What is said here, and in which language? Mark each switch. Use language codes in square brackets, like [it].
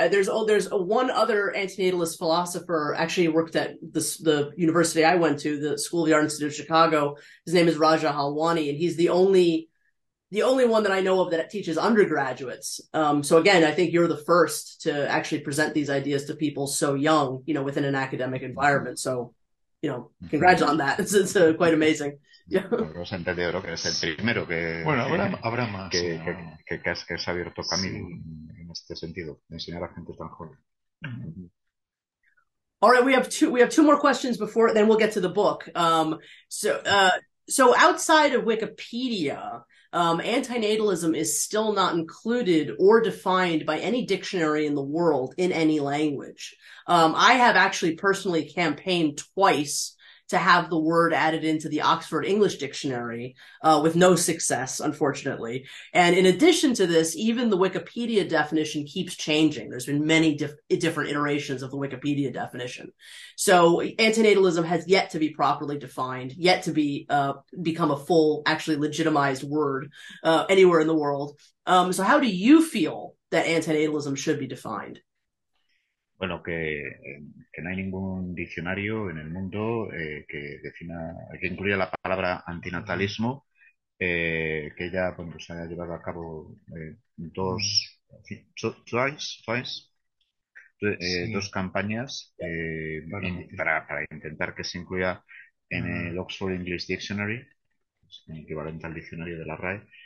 [en] There's one other antinatalist philosopher, actually worked at the university I went to, the School of the Art Institute of Chicago. His name is Raja Halwani, and he's the only one that I know of that teaches undergraduates. So again, I think you're the first to actually present these ideas to people so young, you know, within an academic environment. So, you know, congrats on that. It's quite amazing. [es] Los entendió, creo que es el primero que, bueno, habrá más que se ha abierto camino, sí, en este sentido, de enseñar a gente tan joven. [en] All right, we have two more questions before then we'll get to the book. So outside of Wikipedia, antinatalism is still not included or defined by any dictionary in the world in any language. I have actually personally campaigned twice to have the word added into the Oxford English Dictionary, with no success, unfortunately. And in addition to this, even the Wikipedia definition keeps changing. There's been many different iterations of the Wikipedia definition. So antinatalism has yet to be properly defined, yet to be become a full, actually legitimized word anywhere in the world. So how do you feel that antinatalism should be defined? [es] Bueno, que no hay ningún diccionario en el mundo que defina, que incluya la palabra antinatalismo, que ya, bueno, se haya llevado a cabo dos campañas para intentar que se incluya en el Oxford English Dictionary, el equivalente al diccionario de la RAE.